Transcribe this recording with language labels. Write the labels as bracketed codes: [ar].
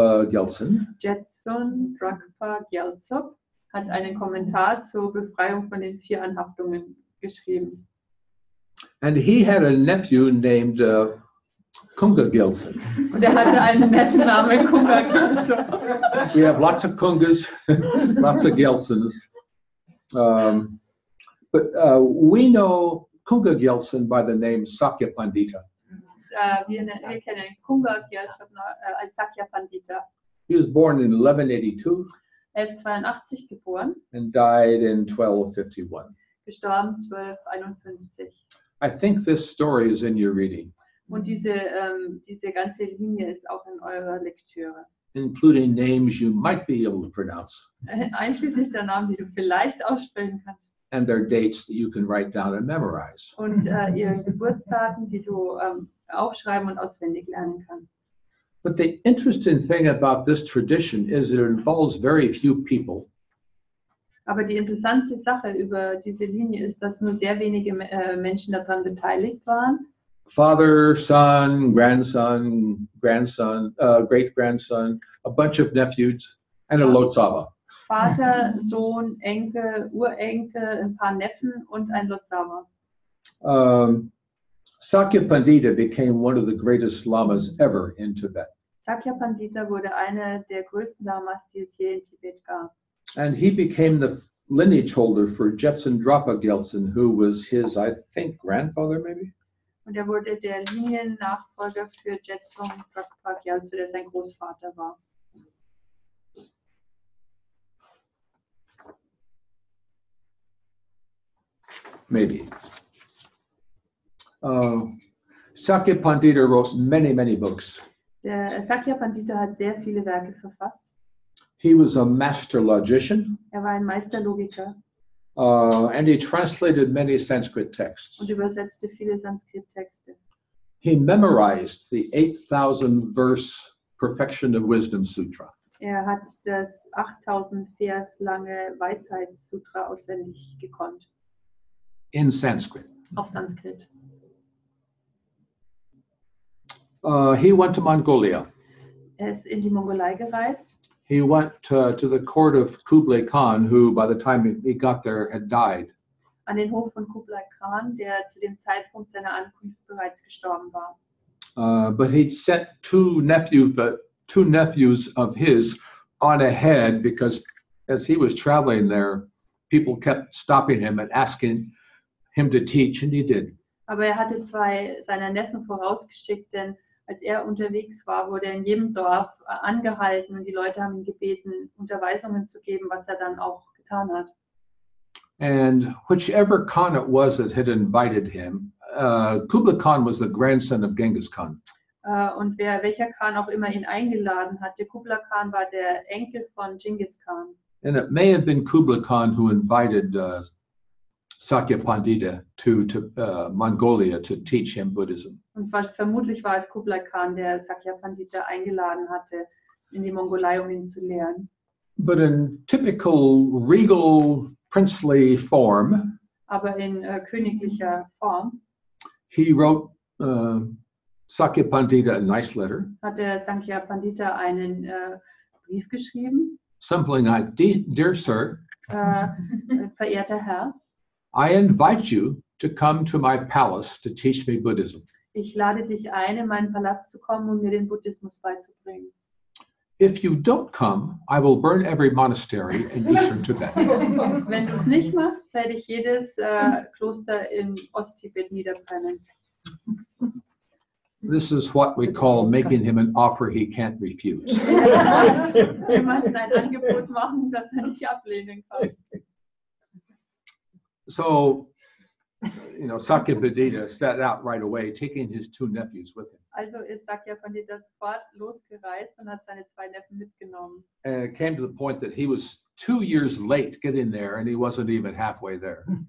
[de] Jetsun Drakpa Gyaltsen hat einen Kommentar zur Befreiung von den vier Anhaftungen geschrieben. [en] And he had a nephew named Kunga Gyaltsen. [de] Und er hatte einen Neffennamen Kunga Gyaltsen. [en] We have lots of Kungas, lots of Gyaltsens. We know Kunga Gyaltsen by the name Sakya Pandita. [de] Wir kennen Kunga Gyaltsen als Sakya Pandita. [en] He was born in 1182. [de] 1182 geboren. [en] And died in 1251. [de] Gestorben 1251. [en] I think this story is in your reading. [de] Und diese ganze Linie ist auch in eurer Lektüre. [en] Including names you might be able to pronounce. [de] Einschließlich der Namen, die du vielleicht aussprechen kannst. [en] And their dates that you can write down and memorize. [de] Und ihre Geburtsdaten, die du aufschreiben und auswendig lernen kannst. [en] But the interesting thing about this tradition is it involves very few people. [de] Aber die interessante Sache über diese Linie ist, dass nur sehr wenige Menschen daran beteiligt waren. [en] Father, son, grandson, great-grandson, a bunch of nephews, and a Lotsaba. [de] Vater, Sohn, Enkel, Urenkel, ein paar Neffen und ein Lotsaba. [en] Sakya Pandita became one of the greatest lamas ever in Tibet. [de] Sakya Pandita wurde einer der größten Lamas, die es je in Tibet gab. [en] And he became the lineage holder for Jetsun Drakpa Gyaltsen, who was his, I think, grandfather maybe? [de] Und er wurde der Liniennachfolger für Jetsun Drakpa Gyaltsen, der sein Großvater war. [en] Maybe. Sakya Pandita wrote many, many books. [de] Der Sakya Pandita hat sehr viele Werke verfasst. [en] He was a master logician. [de] Er war ein Meisterlogiker. [en] And he translated many Sanskrit texts. [de] Und übersetzte viele Sanskrit Texte. [en] He memorized the 8,000 verse Perfection of Wisdom Sutra. [de] Er hat das 8000 Vers lange Weisheitssutra auswendig gekonnt. [en] In Sanskrit. [de] Auf Sanskrit. [en] He went to Mongolia. [de] Er ist in die Mongolei gereist. [en] He went to the court of Kublai Khan, who by the time he got there had died. [de] An den Hof von Kublai Khan, der zu dem Zeitpunkt seiner Ankunft bereits gestorben war. [en] But he'd sent two nephews of his on ahead, because as he was traveling there, people kept stopping him and asking him to teach, and he did. [de] Aber er hatte zwei seiner Neffen vorausgeschickt, denn als er unterwegs war, wurde er in jedem Dorf angehalten und die Leute haben ihn gebeten, Unterweisungen zu geben, was er dann auch getan hat. [en] And whichever Khan it was that had invited him, Kublai Khan was the grandson of Genghis Khan. [de] Und welcher Khan auch immer ihn eingeladen hatte, Kublai Khan war der Enkel von Genghis Khan. [en] And it may have been Kublai Khan who invited Sakya Pandita to Mongolia to teach him Buddhism. [de] Und vermutlich war es Kublai Khan, der Sakya Pandita eingeladen hatte in die Mongolei, um ihn zu lehren. [en] But in typical regal princely form, [de] aber in königlicher Form, [en] he wrote Sakya Pandita a nice letter. [de] Hat der Sakya Pandita einen Brief geschrieben? [en] Something like, dear sir, [de] verehrter Herr, [en] I invite you to come to my palace to teach me Buddhism. [de] Ich lade dich ein, in meinen Palast zu kommen, um mir den Buddhismus beizubringen. [en] If you don't come, I will burn every monastery in eastern Tibet. [de] Wenn du es nicht machst, werde ich jedes Kloster in Osttibet niederbrennen. [en] This is what we call making him an offer he can't refuse. [de] Wir machen ein Angebot machen, das er nicht ablehnen kann. [en] So, you know, Sakya Pandita set out right away, taking his two nephews with him. [de] Also ist Sakya Pandita sofort losgereist und hat seine zwei Neffen mitgenommen. [en] And it came to the point that he was 2 years late getting there, and he wasn't even halfway there.